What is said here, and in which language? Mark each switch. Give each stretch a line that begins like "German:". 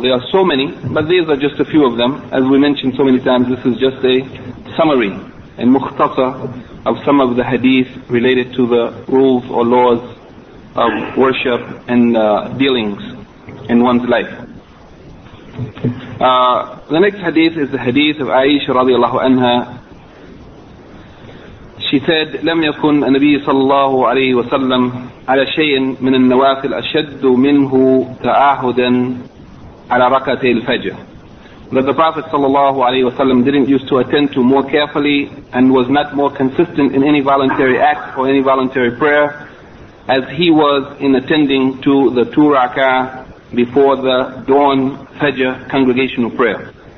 English: There are so many, but these are just a few of them. As we mentioned so many times, this is just a summary, a mukhtasa of some of the hadith related to the rules or laws of worship and dealings in one's life. The next hadith is the hadith of Aisha radiallahu anha. She said,
Arabic: لم يكن النبي صلى الله عليه وسلم على شيء من النوافل أشد منه تعاهدا على ركعتي الفجر.
English: That the Prophet sallallahu alaihi wasallam didn't used to attend to more carefully and was not more consistent in any voluntary act or any voluntary prayer as he was in attending to the two rak'ah before the dawn fajr congregational prayer.